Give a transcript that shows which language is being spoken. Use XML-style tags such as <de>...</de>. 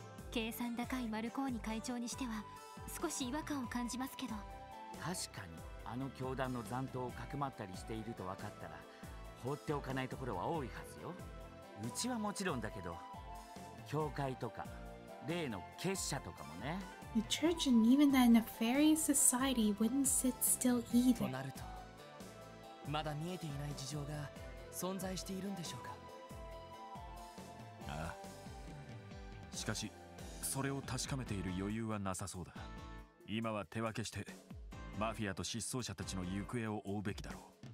<ja>計算高いマルコーニ会長にしては少し違和感を感じますけど。確かにあの教団の残党をかくまったりしていると分かったら放っておかないところは多いはずよ。うちはもちろんだけど、教会とか例の結社とかもね。</ja> <en>The church and even that nefarious society wouldn't sit still either.</en> <ja>となると、まだ見えていない事情が存在しているんでしょうか。ああ。しかし、それを確かめている余裕はなさそうだ。今は手分けして、マフィアと失踪者たちの行方を追うべきだろう。</ja>